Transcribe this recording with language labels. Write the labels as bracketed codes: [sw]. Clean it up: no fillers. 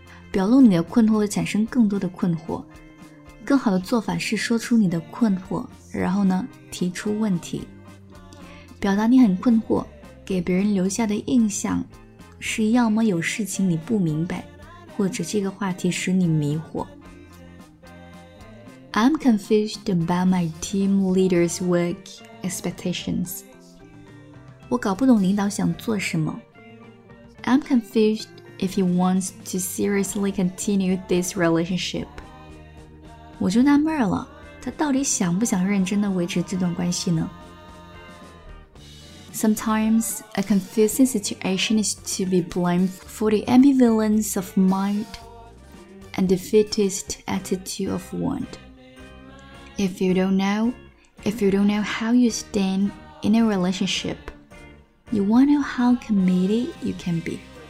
[zh] 表露你的困惑会产生更多的困惑。更好的做法是说出你的困惑，然后呢，提出问题。表达你很困惑，给别人留下的印象是要么有事情你不明白，或者这个话题使你迷惑。 [en] I'm confused about my team leader's work expectations. [zh] 我搞不懂领导想做什么。 [en] I'm confused if he wants to seriously continue this relationship. [zh] 我就纳闷了，他到底想不想认真地维持这段关系呢？ [en] Sometimes a confusing situation is to be blamed for the ambivalence of mind and defeatist attitude of want. If you don't know how you stand in a relationship, you won't know how committed you can be.